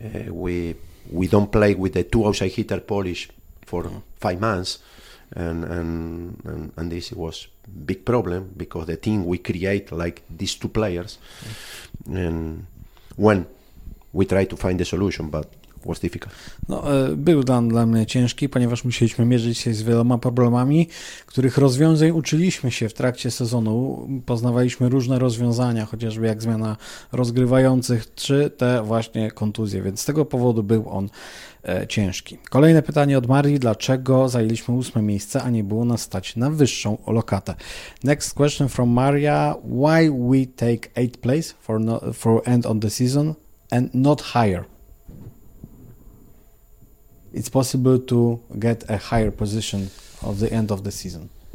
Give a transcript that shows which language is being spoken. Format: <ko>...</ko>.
<en>We don't play with the two outside hitter Polish for 5 months. And this was big problem because the team we create like these two players, and when we try to find the solution, but was difficult.</en> <pl>No, był dla mnie ciężki, ponieważ musieliśmy mierzyć się z wieloma problemami, których rozwiązań uczyliśmy się w trakcie sezonu. Poznawaliśmy różne rozwiązania, chociażby jak zmiana rozgrywających, czy te właśnie kontuzje, więc z tego powodu był on ciężki. Kolejne pytanie od Marii. Dlaczego zajęliśmy 8 miejsce, a nie było nas stać na wyższą lokatę?</pl> <en>Next question from Maria. Why we take 8th place for end of the season and not higher? It's possible to get a higher position of the end of the season.</en>